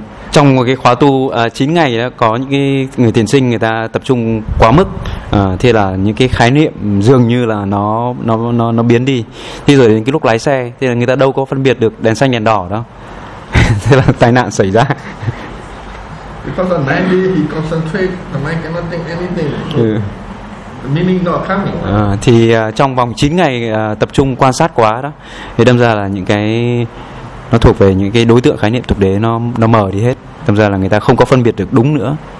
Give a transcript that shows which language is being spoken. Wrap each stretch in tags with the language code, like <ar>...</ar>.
<vi>Trong một cái khóa tu 9 ngày đó, có những cái người thiền sinh người ta tập trung quá mức, thì là những cái khái niệm dường như là nó biến đi. Thì rồi đến cái lúc lái xe thì là người ta đâu có phân biệt được đèn xanh đèn đỏ đâu. Thế là tai nạn xảy ra.</vi> <en>Because on 90 he concentrate, the mind cannot think anything. The meaning not coming.</en> <vi>Thì trong vòng 9 ngày tập trung quan sát quá đó, thì đâm ra là những cái nó thuộc về những cái đối tượng khái niệm tục đế nó mờ đi hết, thậm ra là người ta không có phân biệt được đúng nữa.</vi>